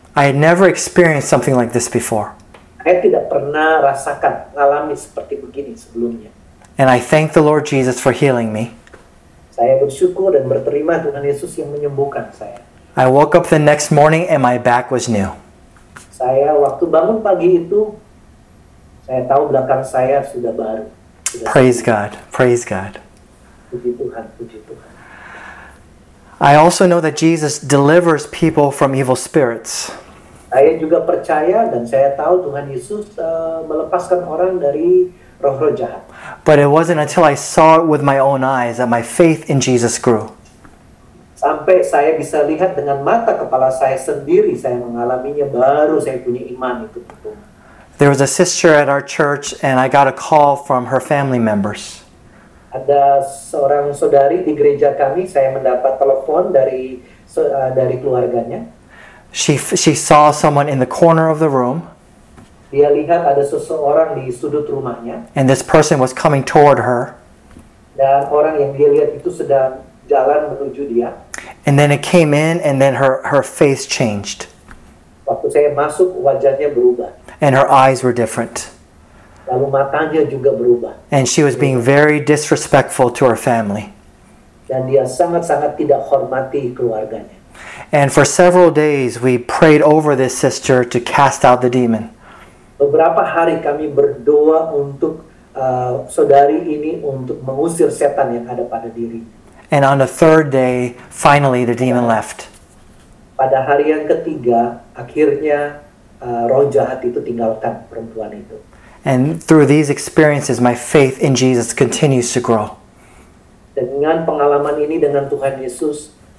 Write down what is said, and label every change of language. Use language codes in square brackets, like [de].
[en] I had never experienced something like this before. [id] Saya tidak pernah rasakan, ngalami seperti begini sebelumnya. [en] And I thank the Lord Jesus for healing me. [id] Saya bersyukur dan berterima Tuhan Yesus yang menyembuhkan saya. [en] I woke up the next morning and my back was new. [id] Saya waktu bangun pagi itu, saya tahu belakang saya sudah baru. [en] Praise God, praise God. [id] Puji Tuhan, puji Tuhan. [en] I also know that Jesus delivers people from evil spirits. [id] Saya juga percaya dan saya tahu Tuhan Yesus melepaskan orang dari roh-roh jahat. [en] But it wasn't until I saw it with my own eyes that my faith in Jesus grew. [id] Sampai saya bisa lihat dengan mata kepala saya sendiri, saya mengalaminya, baru saya punya iman itu. [en] There was a sister at our church and I got a call from her family members. [id] Ada seorang saudari di gereja kami, saya mendapat telepon dari keluarganya. [en] She saw someone in the corner of the room. [id] Dia lihat ada seseorang di sudut rumahnya. [en] And this person was coming toward her. [id] Dan orang yang dia lihat itu sedang jalan menuju dia. [en] And then it came in and then her face changed. [id] Waktu saya masuk, wajahnya berubah. [en] And her eyes were different. [id] Lalu matanya juga berubah. [en] And she was being very disrespectful to her family. [id] Dan dia sangat-sangat tidak hormati keluarganya. [en] And for several days we prayed over this sister to cast out the demon. [id] Beberapa hari kami berdoa untuk saudari ini untuk mengusir setan yang ada pada dirinya. [en] And on the third day, finally the demon left. [id] Pada hari yang ketiga, akhirnya roh jahat itu tinggalkan perempuan itu. [en] And through these experiences, my faith in Jesus continues to grow. [id] Dengan pengalaman ini dengan Tuhan Yesus,